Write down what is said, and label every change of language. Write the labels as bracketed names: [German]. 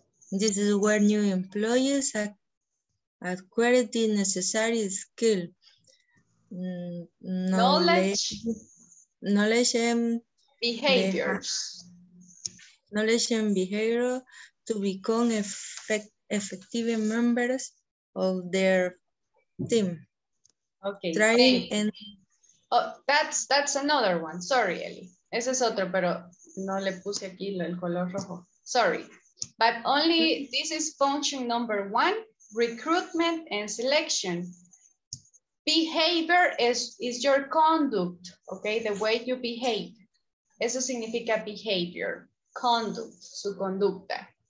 [English] This is where new employees acquire the necessary skill, knowledge and behavior to become effective members of their team. Okay. That's another one. Sorry, Eli. [Spanish] Ese es otro, pero no le puse aquí el color rojo. [English] Sorry. But only this is function number 1, recruitment and selection. Behavior is your conduct, okay? The way you behave. [Spanish] Eso significa [English] behavior, conduct, [Spanish] su conducta.